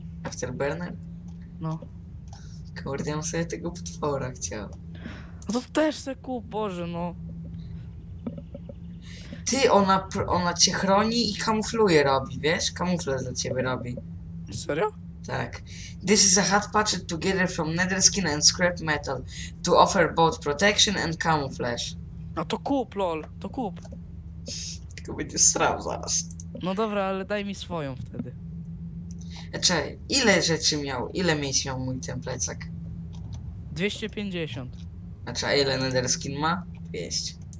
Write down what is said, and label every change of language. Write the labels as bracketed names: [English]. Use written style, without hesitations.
[English] Afterburner? [Polish] No. Kurde, ja bym sobie tego potwora chciał. No to też se kup, Boże, no. Ty, ona cię chroni i kamufluje robi, wiesz? Kamuflaż dla ciebie robi. Serio? Tak. [English] This is a hat patched together from nether skin and scrap metal to offer both protection and camouflage. [Polish] No to kup, lol, to kup. Tylko będzie strał zaraz. No dobra, ale daj mi swoją wtedy. Czekaj, ile rzeczy miał, ile miejsc miał mój ten plecak? 250. Znaczy, a ile nether skin ma? 200.